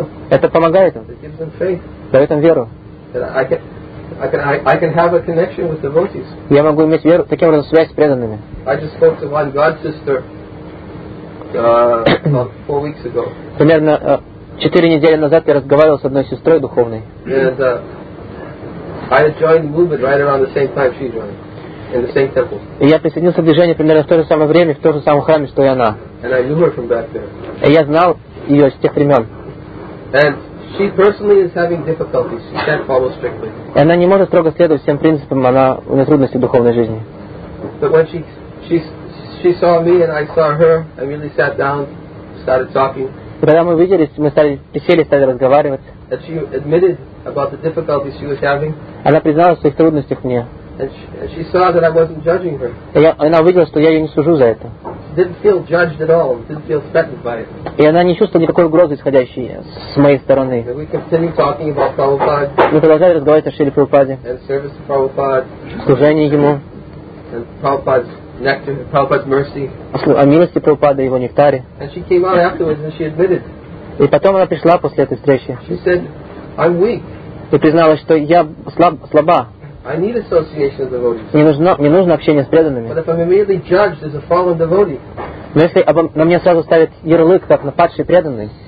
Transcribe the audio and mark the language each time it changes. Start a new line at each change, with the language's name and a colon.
Russian: Это помогает им. Дает им веру.
English: I can have a connection with devotees.
Russian: Я могу иметь веру, таким образом связь с преданными.
English: I just spoke to one God sister. About 4 weeks ago.
Russian: Примерно 4 недели назад я разговаривал с одной сестрой духовной.
English: And I joined the movement right around the same time she joined, in the same temple.
Russian: И я присоединился к движению примерно в то же самое время, в том же самом храме, что и она.
English: And I knew her from back there.
Russian: И я знал ее с тех времен.
English: And she personally is having difficulties. She can't follow strictly.
Russian: И она не может строго следовать всем принципам, она у нее трудности в духовной жизни.
English: But when she saw me and I saw her, I really sat down, started talking.
Russian: Когда мы виделись, мы стали разговаривать.
English: And she admitted about the difficulties she was having.
Russian: Она призналась в своих трудностях мне.
English: And she saw that I wasn't judging her.
Russian: Она увидела, что я ее не сужу за это.
English: She didn't feel judged at all, didn't feel threatened by it.
Russian: И она не чувствовала никакой угрозы, исходящей с моей стороны.
English: And we continued talking about Prabhupada.
Russian: Мы продолжали разговаривать о Шриле Прабхупаде.
English: And service to Prabhupada.
Russian: Служение ему.
English: And Prabhupada's
Russian: о милости Прабхупады и его нектаре.
English: And she came out afterwards and she admitted.
Russian: И потом она пришла после этой встречи.
English: She said, I'm weak.
Russian: И призналась, что я слаба.
English: I need association with devotees.
Russian: Мне нужно общение с преданными.
English: But if I'm immediately judged as a fallen devotee.
Russian: Но если на меня сразу ставят ярлык, как на падший преданный.